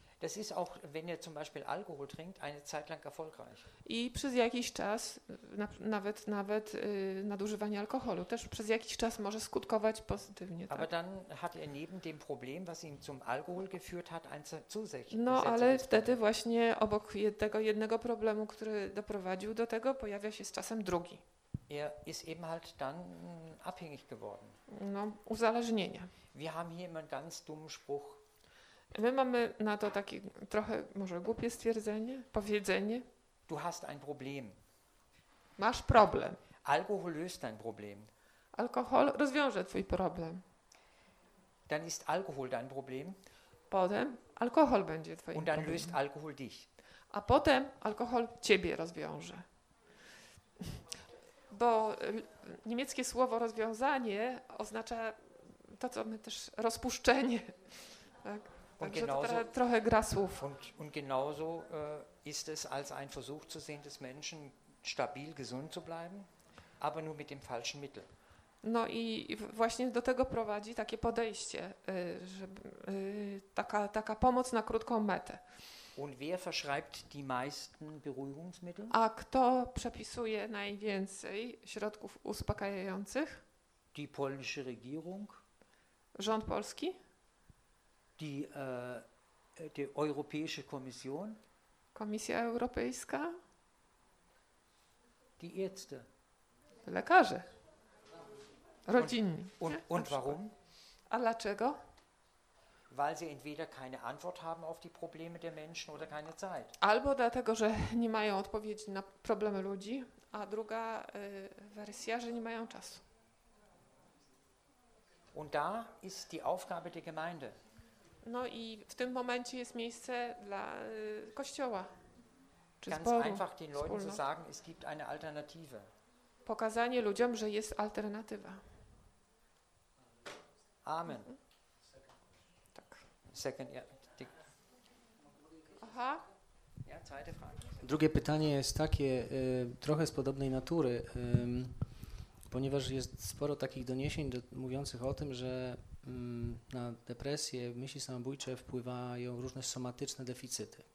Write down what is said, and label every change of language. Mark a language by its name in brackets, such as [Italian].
[German] Das ist auch, wenn er zum Beispiel Alkohol trinkt, eine Zeit lang erfolgreich. [Polish] I przez jakiś czas, nawet nadużywanie alkoholu, też przez jakiś czas może skutkować pozytywnie. Tak? [German] Aber dann hat er neben dem Problem, was ihn zum Alkohol geführt hat, ein zusätzliches. [Polish] No, ale wtedy właśnie obok tego jednego problemu, który doprowadził do tego, pojawia się z czasem drugi. [German] Er ist eben halt dann abhängig geworden. [Polish] No, uzależnienie. [German] Wir haben hier immer einen ganz dummen Spruch. [Polish] My mamy na to takie trochę może głupie stwierdzenie, powiedzenie. [German] Du hast ein Problem. [Polish] Masz problem. [German] Alkohol löst dein Problem. [Polish] Alkohol rozwiąże twój problem. [German] Dann ist Alkohol dein Problem. [Polish] Potem alkohol będzie twoim problemem. [German] Und dann löst Alkohol dich. [Polish] A potem alkohol ciebie rozwiąże. Bo niemieckie słowo rozwiązanie oznacza to, co my też rozpuszczenie. Tak? [German] Und genauso, [Polish] trochę gra słów. [German] Und genauso ist es als ein Versuch zu sehen, des Menschen stabil, gesund zu bleiben, aber nur mit dem falschen Mittel. [Polish] No i właśnie do tego prowadzi takie podejście, żeby, taka pomoc na krótką metę. [German] Und wer verschreibt die meisten Beruhigungsmittel? [Polish] A kto przepisuje najwięcej środków uspokajających? [German] Die polnische Regierung. [Polish] Rząd polski. [German] Die Europäische Kommission. [Polish] Komisja Europejska. [German] Die Ärzte. [Polish] Lekarze. Rodzinni. [German] Und warum? [Polish] A dlaczego? [German] Weil sie entweder keine Antwort haben auf die Probleme der Menschen oder keine Zeit. [Polish] Albo dlatego, że nie mają odpowiedzi na problemy ludzi, a druga wersja, że nie mają czasu. [German] Und da ist die Aufgabe der Gemeinde. [Polish] No i w tym momencie jest miejsce dla Kościoła. czy zboru, [German] einfach den Leuten zu sagen, es gibt eine Alternative. [Polish] Pokazanie ludziom, że jest alternatywa. Amen. Tak. [English] Second, ja. Aha. [Polish] Drugie pytanie jest takie, trochę z podobnej natury, ponieważ jest sporo takich doniesień mówiących o tym, że na depresję, myśli samobójcze wpływają różne somatyczne deficyty.